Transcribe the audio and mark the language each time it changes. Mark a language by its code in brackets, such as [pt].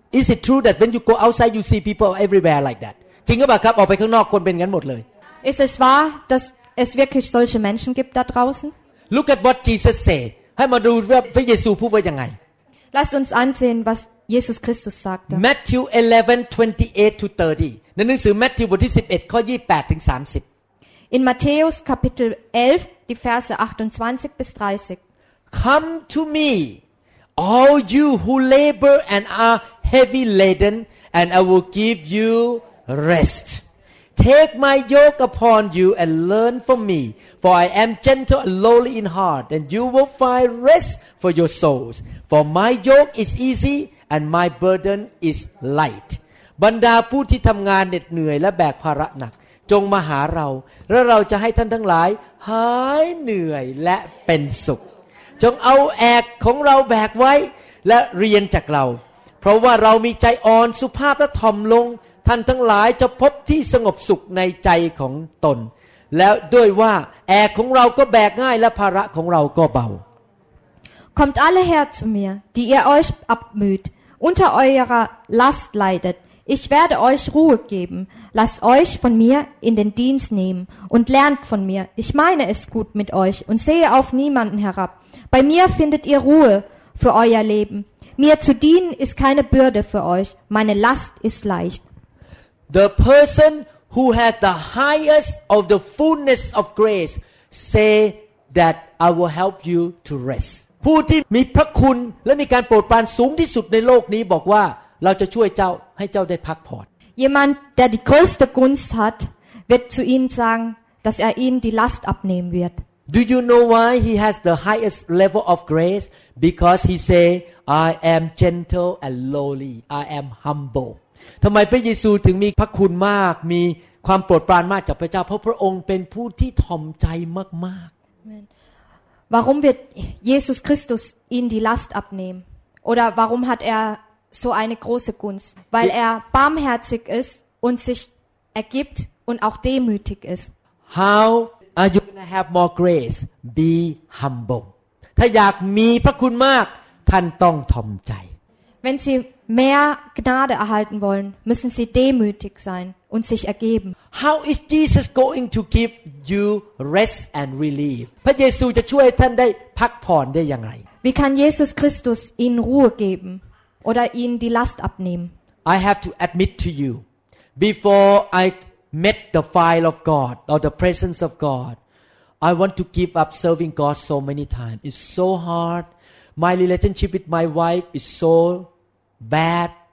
[en] Is it true that when you go outside, you see people everywhere like that? [th] จริงหรือเปล่าครับออกไปข้างนอกคนเป็นงั้นหมดเลย [en] Is it [de] wahr, dass es wirklich solche Menschen gibt da draußen? [en] Look at what Jesus said. [th] ให้มาดูว่าพระเยซูพูดว่ายังไง [de] Lass uns ansehen, was Jesus Christus sagte. [th] Matthew 11:28-30. ในหนังสือมัทธิวบทที่11ข้อ28ถึง30 [de] In Matthäus Kapitel 11 die Verse 28 bis 30 [en] Come to me all you who labor and are heavy laden and I will give you rest Take my yoke upon you and learn from me for I am gentle and lowly in heart and you will find rest for your souls for my yoke is easy and my burden is light [th] บรรดาผู้ที่ทำงานเหน็ดเหนื่อยและแบกภาระหนักจงมาหาเราและเราจะให้ท่านทั้งหลายหายเหนื่อยและเป็นสุข จงเอาแอกของเราแบกไว้และเรียนจากเราเพราะว่าเรามีใจอ่อนสุภาพและถ่อมลงท่านทั้งหลายจะพบที่สงบสุขในใจของตนแล้วด้วยว่าแอกของเราก็แบกง่ายและภาระของเราก็เบา [de] Kommt alle her zu mir, die ihr euch abmüht, unter eurer Last leidet. Ich werde euch Ruhe geben. Lasst euch von mir in den Dienst nehmen und lernt von mir. Ich meine es gut mit euch und sehe auf niemanden herab. Bei mir findet ihr Ruhe für euer Leben. Mir zu dienen ist keine Bürde für euch. Meine Last ist leicht. [en] The person who has the highest of the fullness of grace say that I will help you to rest. [th] ผู้ที่มีพระคุณและมีการโปรดปรานสูงที่สุดในโลกนี้บอกว่าเราจะช่วยเจ้าให้เจ้าได้พักผ่อน [de] Jemand der die größte Gunst hat wird zu ihm sagen dass er ihm die Last abnehmen wird [en] Do you know why he has the highest level of grace because he say I am gentle and lowly I am humble [th] ทำไมพระเยซูถึงมีพระคุณมากมีความโปรดปรานมากจากพระเจ้าเพราะพระองค์เป็นผู้ที่ถ่อมใจมาก [de] ๆ Warum wird Jesus Christus ihm die Last abnehmen oder warum hat erso eine große Gunst, weil er barmherzig ist und sich ergibt und auch demütig ist. [en] How are you going to have more grace? Be humble. [th] ถ้าอยากมีพระคุณมากท่านต้องถ่อมใจ [de] Wenn Sie mehr Gnade erhalten wollen, müssen Sie demütig sein und sich ergeben. [en] How is Jesus going to give you rest and relief? [th] พระเยซูจะช่วยท่านได้พักผ่อนได้อย่างไร [de] Wie kann Jesus Christus Ihnen Ruhe geben? Oder ihnen die Last abnehmen. [en] I have to admit to you, before I met the fire of God or the presence of God, I want to give up serving God so many times. It's so hard. My relationship with my wife is so bad.